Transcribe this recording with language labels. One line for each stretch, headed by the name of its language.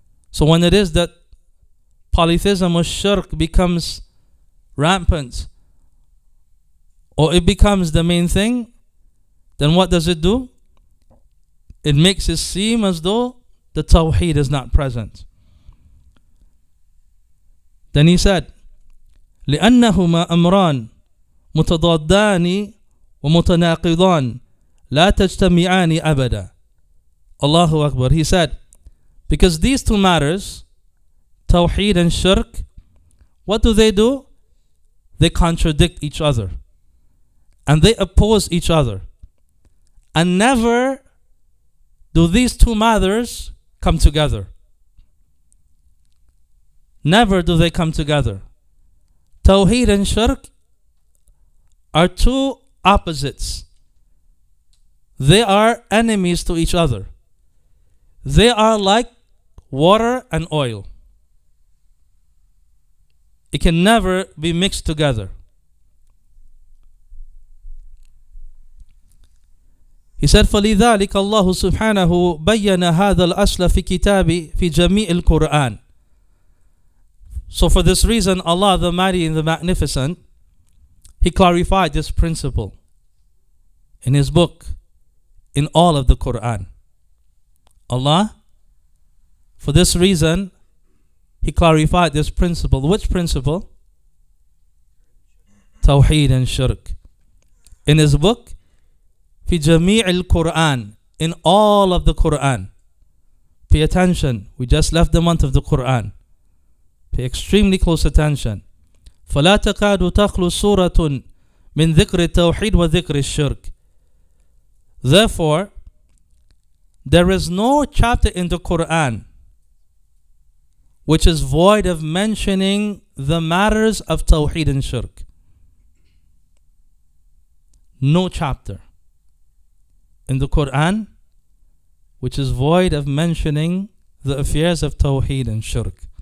English: So when it is that polytheism or shirk becomes rampant, or it becomes the main thing, then what does it do? It makes it seem as though the Tawheed is not present. Then he said,
Arabic: لِأَنَّهُمَا أَمْرَانِ مُتَضَادَّانِ وَمُتَنَاقِضَانِ لا تجتمعان أبدا.
English: Allahu Akbar. He said, because these two matters, Tawheed and Shirk, what do? They contradict each other. And they oppose each other. And never do these two matters come together. Never do they come together. Tawheed and Shirk are two opposites. They are enemies to each other. They are like water and oil. It can never be mixed together. He said,
Arabic: فَلِذَٰلِكَ اللَّهُ سُبْحَانَهُ بَيَّنَ هَذَا الْأَصْلَ فِي كِتَابِ فِي جَمِيعِ الْقُرْآنِ.
English: So for this reason, Allah the Mighty and the Magnificent, He clarified this principle in His book. In all of the Quran. Allah, for this reason, He clarified this principle. Which principle? Tawheed and Shirk. In His book,
Arabic: في جميع القرآن.
English: In all of the Quran. Pay attention. We just left the month of the Quran. Pay extremely close attention.
Arabic: فلا تكاد تخلو سورة من ذكر التوحيد وذكر الشرك.
English: Therefore, there is no chapter in the Quran which is void of mentioning the matters of Tawheed and Shirk. No chapter in the Quran which is void of mentioning the affairs of Tawheed and Shirk.